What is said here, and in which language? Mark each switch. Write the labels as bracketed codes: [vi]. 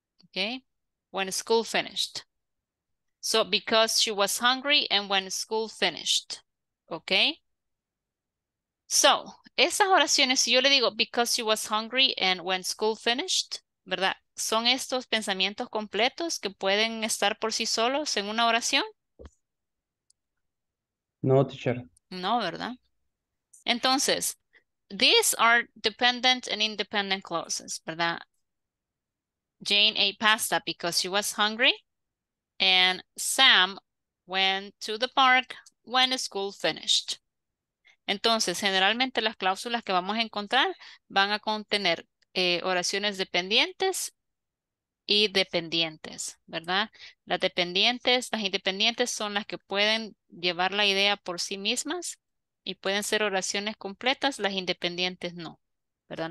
[en] Okay, when school finished. So, because she was hungry and when school finished, okay? [es] So, esas oraciones, si yo le digo [en] because she was hungry and when school finished, [es] ¿verdad? ¿Son estos pensamientos completos que pueden estar por sí solos en una oración? [en] No, teacher. [es] No, ¿verdad? Entonces, [en] these are dependent and independent clauses, [es] ¿verdad? [en] Jane ate pasta because she was hungry. And Sam went to the park when school finished. [es] Entonces, generalmente las cláusulas que vamos a encontrar van a contener oraciones dependientes y dependientes, ¿verdad? Las dependientes, las independientes son las que pueden llevar la idea por sí mismas y pueden ser oraciones completas, las independientes no, ¿verdad?